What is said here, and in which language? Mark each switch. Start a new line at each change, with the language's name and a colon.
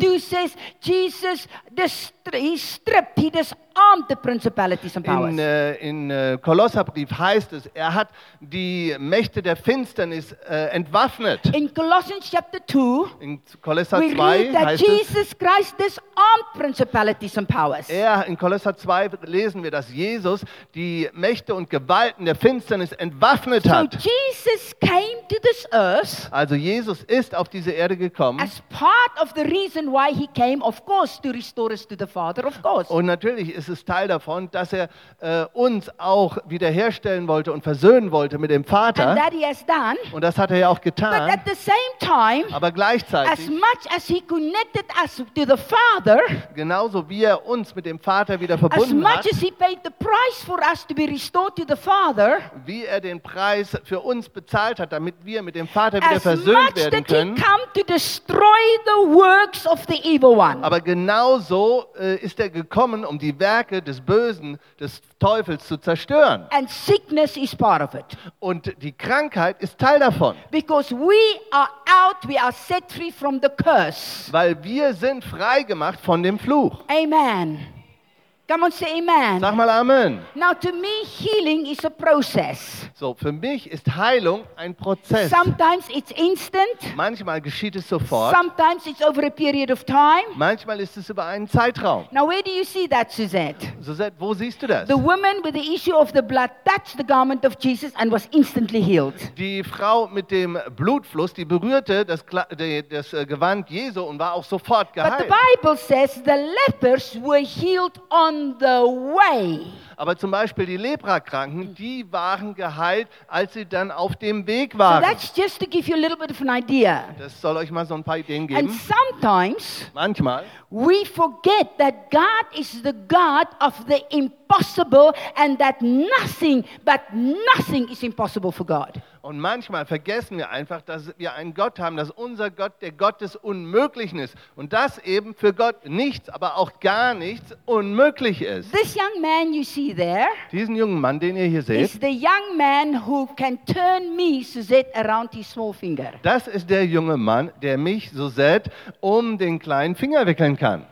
English: Colossians chapter 2 says, Jesus stripped, he disarmed the principalities and powers.
German: In Kolosserbrief heißt es, er hat die Mächte der Finsternis entwaffnet.
English: In Colossians chapter 2,
German: in Kolosser 2 heißt es,
English: Jesus Christ disarmed principalities and powers.
German: In Kolosser 2 lesen wir, dass Jesus die Mächte und Gewalten der Finsternis entwaffnet hat.
English: So Jesus came to this earth.
German: Also Jesus ist auf diese Erde gekommen.
English: As part of the reason why he came, of course, to restore us to the Father, of course.
German: Und natürlich ist es Teil davon, dass er uns auch wiederherstellen wollte und versöhnen wollte mit dem Vater.
English: And that he has done.
German: Und das hat er ja auch getan.
English: But at the same time,
German: aber gleichzeitig,
English: as much as he connected us to the Father,
German: genauso wie er uns mit dem Vater wieder verbunden
English: as much
German: hat,
English: as he paid the price for us to be restored to the Father,
German: wie er den Preis für uns bezahlt hat, damit wir mit dem Vater wieder versöhnt werden.
English: That he came to destroy the works of the evil one.
German: Aber genauso ist er gekommen, um die Werke des Bösen, des Teufels zu zerstören.
English: And sickness is part of it.
German: Und die Krankheit ist Teil davon.
English: Because we are out, we are set free from the curse.
German: Weil wir sind freigemacht von dem Fluch.
English: Amen. Come on, say amen.
German: Sag mal Amen.
English: Now to me healing is a process.
German: So für mich ist Heilung ein Prozess.
English: Sometimes it's instant.
German: Manchmal geschieht es sofort.
English: Sometimes it's over a period of time.
German: Manchmal ist es über einen Zeitraum.
English: Now where do you see that, Suzette?
German: Suzette, wo siehst du das?
English: The woman with the issue of the blood touched the garment of Jesus and was instantly healed.
German: Die Frau mit dem Blutfluss, die berührte das Gewand Jesu und war auch sofort geheilt.
English: But the Bible says the lepers were healed on the way.
German: Aber zum Beispiel die Leprakranken, die waren geheilt, als sie dann auf dem Weg waren.
English: So that's just to give you a little bit of an idea.
German: Das soll euch mal so ein paar Ideen geben.
English: And sometimes,
German: manchmal,
English: we forget that God is the God of the impossible and that nothing, but nothing is impossible for God.
German: Und manchmal vergessen wir einfach, dass wir einen Gott haben, dass unser Gott der Gott des Unmöglichen ist. Und dass eben für Gott nichts, aber auch gar nichts unmöglich ist.
English: This young man you see there,
German: diesen jungen Mann, den ihr hier seht,
English: is the young man who can turn me, Suzette, around his small finger.
German: Das ist der junge Mann, der mich, Suzette, um den kleinen Finger wickeln kann.